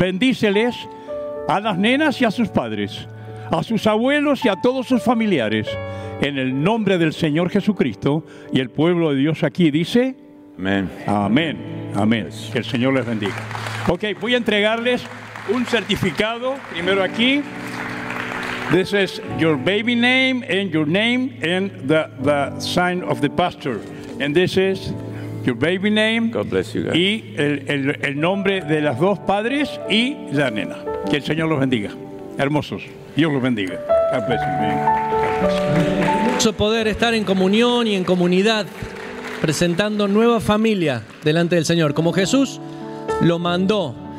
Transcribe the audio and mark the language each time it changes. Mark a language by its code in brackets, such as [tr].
[es] Bendíceles a las nenas y a sus padres, a sus abuelos y a todos sus familiares, en el nombre del Señor Jesucristo. Y el pueblo de Dios aquí dice, amén, amén, amén. Que el Señor les bendiga. Ok, voy a entregarles un certificado, primero aquí. [en] This is your baby name and your name and the sign of the pastor. And this is your baby name. God bless you, God. [es] Y el nombre de las dos padres y la nena. Que el Señor los bendiga. Hermosos. Dios los bendiga. [en] God bless you. [es] Mucho poder estar en comunión y en comunidad, presentando nueva familia delante del Señor, como Jesús lo mandó.